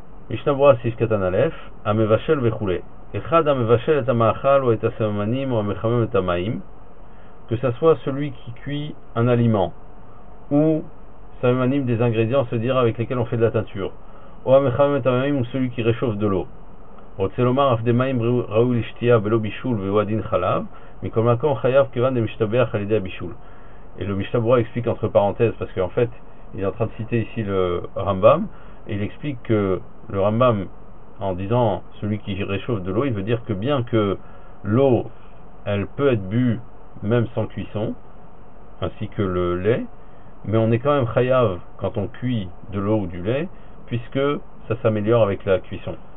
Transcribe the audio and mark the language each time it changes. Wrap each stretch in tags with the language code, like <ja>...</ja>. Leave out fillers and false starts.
<fr>Mishnah Berurah Sif Katan Alef, Amevashel Vechule. Que ça soit celui qui cuit un aliment, ou samanim des ingrédients, se dire avec lesquels on fait de la teinture, ou celui qui réchauffe de l'eau,</fr> <he>רוצה לומר, אף דמים ראוי לשתייה ולא בישול והוא הדין חלב, מכל מקום חייב כיוון דמשתבח על ידי הבישול.</he> <fr>Et le Mishnah Berurah explique entre parenthèses, parce qu'en fait, il est en train de citer ici le Rambam, et il explique que le Rambam, en disant celui qui réchauffe de l'eau, il veut dire que bien que l'eau, elle peut être bue même sans cuisson, ainsi que le lait, mais on est quand même chayav quand on cuit de l'eau ou du lait, puisque ça s'améliore avec la cuisson.</fr>